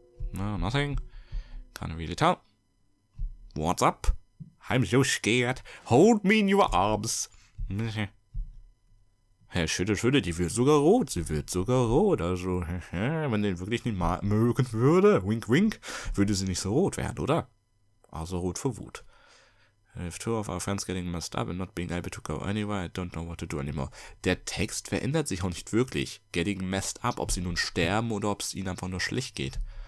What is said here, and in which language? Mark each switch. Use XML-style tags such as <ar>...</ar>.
<en>No, nothing. Can't really tell. What's up? I'm so scared. Hold me in your arms.</en> <de>Herr Schütte, Schütte, die wird sogar rot. Sie wird sogar rot. Also, wenn den wirklich nicht mal mögen würde, wink, wink, würde sie nicht so rot werden, oder? Also rot vor Wut.</de> <en>If two of our friends getting messed up and not being able to go anywhere, I don't know what to do anymore.</en> <de>Der Text verändert sich auch nicht wirklich.</de> <en>Getting messed up,</en> <de>ob sie nun sterben oder ob es ihnen einfach nur schlecht geht.</de>